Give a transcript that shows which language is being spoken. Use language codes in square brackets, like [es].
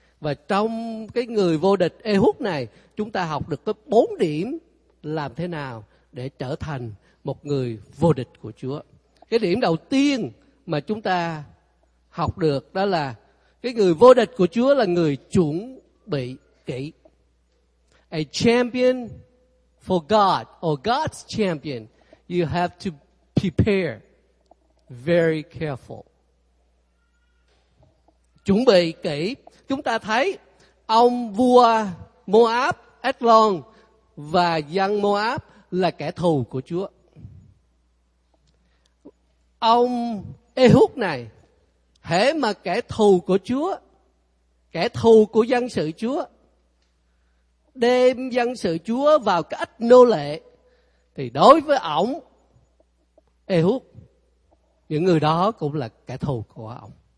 [vi] Và trong cái người vô địch Ehud này, chúng ta học được có 4 điểm làm thế nào để trở thành một người vô địch của Chúa. Cái điểm đầu tiên mà chúng ta học được đó là cái người vô địch của Chúa là người chuẩn bị kỹ. [en] A champion for God, or God's champion, you have to prepare very careful. [vi] Chuẩn bị kỹ. Chúng ta thấy ông vua Moab, Eglon và dân Moab là kẻ thù của Chúa. Ông Ehud này, hễ mà kẻ thù của Chúa, kẻ thù của dân sự Chúa, đem dân sự Chúa vào cái ách nô lệ, thì đối với ổng, Ehud, những người đó cũng là kẻ thù của ổng.